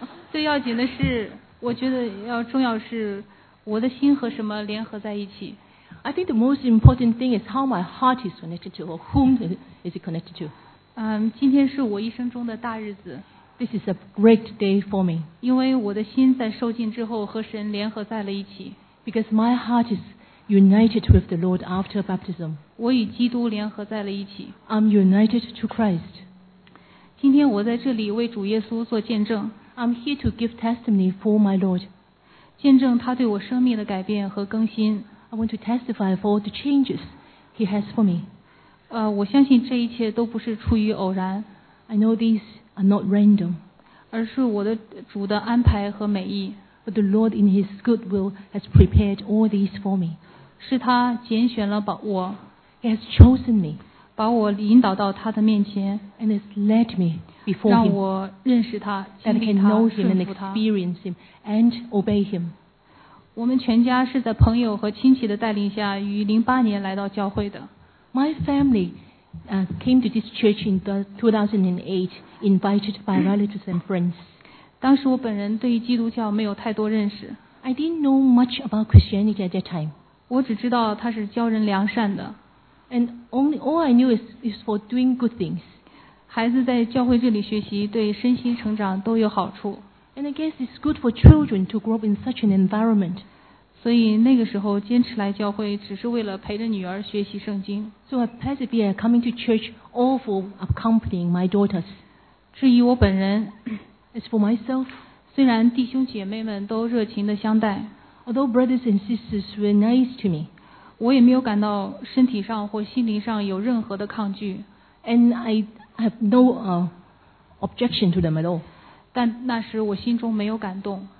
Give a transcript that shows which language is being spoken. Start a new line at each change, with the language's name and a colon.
Chinese: 最要紧的是，我觉得要重要是我的心和什么联合在一起。
English: I think the most important thing is how my heart is connected to, or whom is it connected to.
Chinese: 今天是我一生中的大日子。
English: This is a great day for me.
Chinese: 因为我的心在受浸之后和神联合在了一起。
English: Because my heart is united with the Lord after baptism.
Chinese: 我与基督联合在了一起。
English: I'm united to Christ.
Chinese: 今天我在这里为主耶稣做见证。
English: I'm here to give testimony for my Lord.
Chinese: 见证他对我生命的改变和更新。
English: I want to testify for the changes he has for me.
Chinese: 我相信这一切都不是出于偶然。
English: I know these are not random.
Chinese: 而是我的主的安排和美意。
English: But the Lord in his good will has prepared all these for me.
Chinese: 是他拣选了我。
English: He has chosen me.
Chinese: 把我引导到他的面前。
English: And has led me before him.
Chinese: 让我认识他，亲近他，
English: I can know him and experience him and obey him.
Chinese: 我们全家是在朋友和亲戚的带领下于08年来到教会的。
English: My family came to this church in 2008, invited by relatives and friends.
Chinese: 当时我本人对于基督教没有太多认识。
English: I didn't know much about Christianity at that time.
Chinese: 我只知道它是教人良善的。
English: And all I knew is for doing good things.
Chinese: 孩子在教会这里学习对身心成长都有好处。
English: And I guess it's good for children to grow up in such an environment.
Chinese: 所以那个时候坚持来教会只是为了陪着女儿学习圣经。
English: So I persevered coming to church all for accompanying my daughters.
Chinese: 至于我本人
English: as for myself,
Chinese: 虽然弟兄姐妹们都热情地相待
English: although brothers and sisters were nice to me,
Chinese: 我也没有感到身体上或心灵上有任何的抗拒。
English: And I have no objection to them at all.
Chinese: 但那时我心中没有感动。